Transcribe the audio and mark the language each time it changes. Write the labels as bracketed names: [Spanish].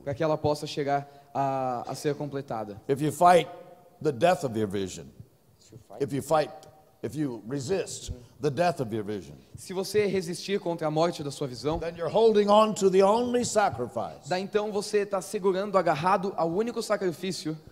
[Portuguese] Para que ela possa chegar a ser completada. [English] If you fight the death of your vision. If you fight, if you resist the death of your vision. [Portuguese] Se você resistir contra a morte da sua visão, [English] then you're holding on to the only sacrifice. [Portuguese] Daí então você está segurando, agarrado ao único sacrifício.